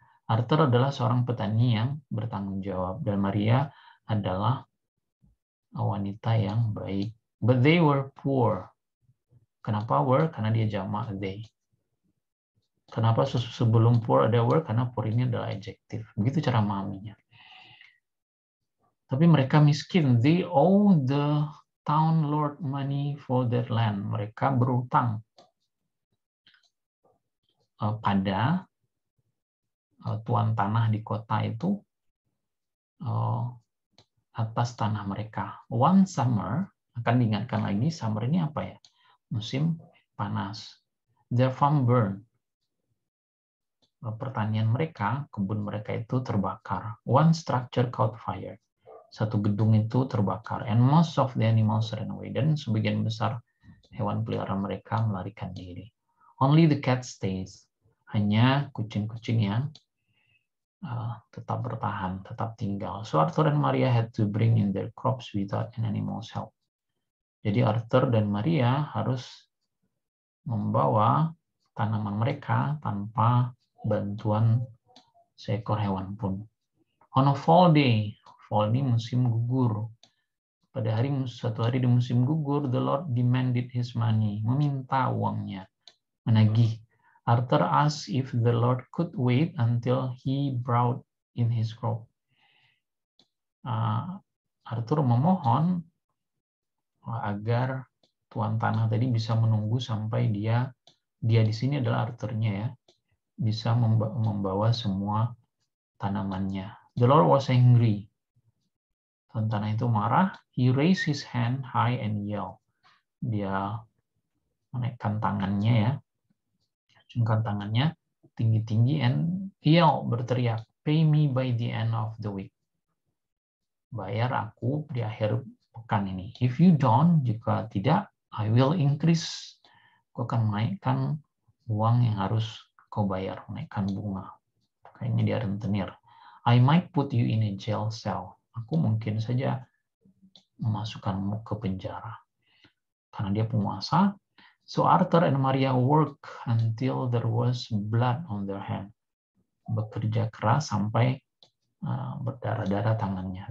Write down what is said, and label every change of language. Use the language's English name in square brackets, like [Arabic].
[Indonesian] Arthur adalah seorang petani yang bertanggung jawab. Dan Maria adalah wanita yang baik. [English] But they were poor. [Indonesian] Kenapa were? Karena dia jamak they. Kenapa sebelum poor ada were? Karena poor ini adalah adjektif. Begitu cara memahaminya. Tapi mereka miskin. [English] They owe the town lord money for their land. [Indonesian] Mereka berutang pada tuan tanah di kota itu atas tanah mereka. [English] One summer, [Indonesian] akan diingatkan lagi, summer ini apa ya? Musim panas. [English] Their farm burn. [Indonesian] Pertanian mereka, kebun mereka itu terbakar. [English] One structure caught fire. [Indonesian] Satu gedung itu terbakar. [English] And most of the animals ran away. [Indonesian] Dan sebagian besar hewan peliharaan mereka melarikan diri. [English] Only the cat stays. [Indonesian] Hanya kucing-kucing yang tetap bertahan, tetap tinggal. [English] So Arthur and Maria had to bring in their crops without an animal's help. [Indonesian] Jadi Arthur dan Maria harus membawa tanaman mereka tanpa bantuan seekor hewan pun. [English] On a fall day, [Indonesian] fall ini musim gugur. Pada hari satu hari di musim gugur, [English] the Lord demanded his money, [Indonesian] meminta uangnya, menagih. [English] Arthur asked if the Lord could wait until he brought in his crop. [Indonesian] Arthur memohon agar tuan tanah tadi bisa menunggu sampai dia di sini adalah Arthurnya ya, bisa membawa semua tanamannya. [English] The Lord was angry. [Indonesian] Tuan tanah itu marah. [English] He raised his hand high and yelled. [Indonesian] Dia menaikkan tangannya ya. Cungkan tangannya tinggi-tinggi [English] and yell, berteriak, pay me by the end of the week. [Indonesian] Bayar aku di akhir pekan ini. [English] If you don't, [Indonesian] jika tidak, [English] I will increase. [Indonesian] Aku akan menaikkan uang yang harus kau bayar, menaikkan bunga. Kayaknya dia rentenir. [English] I might put you in a jail cell. [Indonesian] Aku mungkin saja memasukkanmu ke penjara. Karena dia penguasa. [English] So Arthur and Maria work until there was blood on their hand. [Indonesian] Bekerja keras sampai berdarah-darah tangannya.